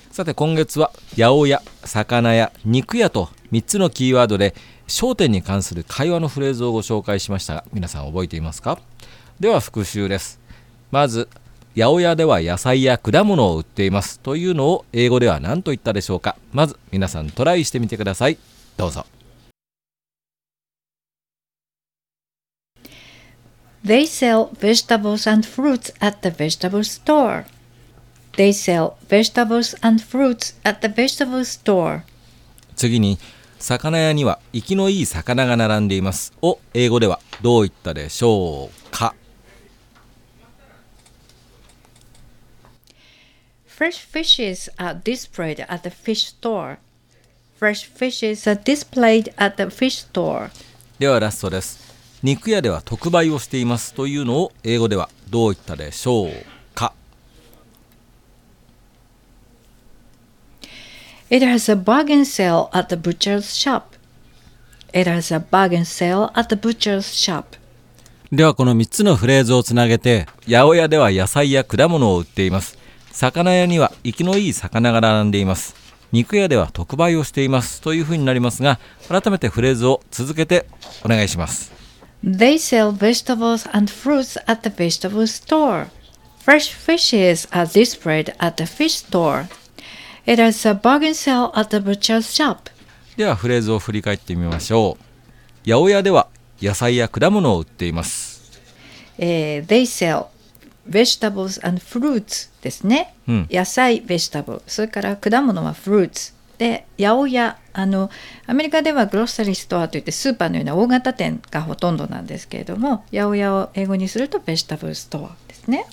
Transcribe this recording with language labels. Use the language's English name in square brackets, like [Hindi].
[Japanese] さて今月は八百屋、魚屋、肉屋と3つのキーワードで商店に関する会話のフレーズをご紹介しましたが、皆さん覚えていますか？では復習です。まず八百屋では野菜や果物を売っていますというのを英語では何と言ったでしょうか？まず皆さんトライしてみてください。どうぞ。 [English] They sell vegetables and fruits at the vegetable store. They sell vegetables and fruits at the vegetable store. [Japanese] 次に魚屋には生きのいい魚が並んでいますを英語ではどう言ったでしょうか？ [English] Fresh fishes are displayed at the fish store. Fresh fishes are displayed at the fish store. [Japanese] ではラストです。肉屋では特売をしていますというのを英語ではどう言ったでしょうか？ [English] It has a bargain sale at the butcher's shop. It has a bargain sale at the butcher's shop. [Japanese] ではこの3つのフレーズをつなげて、八百屋では野菜や果物を売っています、魚屋には生きのいい魚が並んでいます、肉屋では特売をしていますというふうになりますが、改めてフレーズを続けてお願いします。 [English] They sell vegetables and fruits at the vegetable store. Fresh fishes are displayed at the fish store. It is a bargain sale at the butcher's shop. [Japanese] ではフレーズを振り返ってみましょう。八百屋では野菜や果物を売っています。 [English] They sell vegetables and fruits [Japanese] ですね。野菜、vegetable、それから果物は fruits。で、八百屋、アメリカではグロッサリーストアといってスーパーのような大型店がほとんどなんですけれども、八百屋を英語にすると vegetable store ですね。